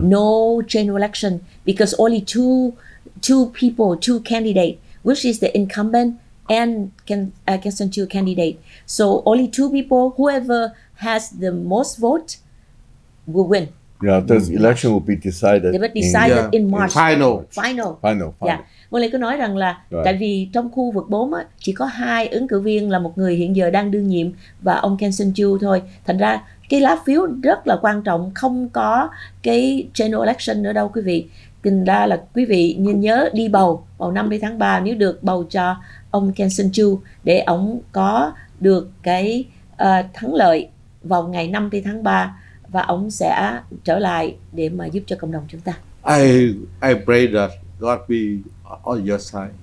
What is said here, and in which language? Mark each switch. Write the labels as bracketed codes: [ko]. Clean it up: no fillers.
[en] No general election because only two candidates, which is the incumbent and Kang Sun-chu candidate. So only two people, whoever has the most vote will win. Yeah, the election will be decided. They were decided in March. Final. Yeah. [vi] Vân Lê có nói rằng là tại vì trong khu vực 4 á, chỉ có hai ứng cử viên là một người hiện giờ đang đương nhiệm và ông Kang Sun-chu thôi. Thành ra cái lá phiếu rất là quan trọng, không có cái general election nữa đâu quý vị. Thành ra là quý vị nên nhớ đi bầu vào 5 tháng 3 nếu được bầu cho ông Kang Sun-chu để ông có được cái thắng lợi vào ngày 5 tháng 3, và ông sẽ trở lại để mà giúp cho cộng đồng chúng ta. [en] I pray that God be on your side.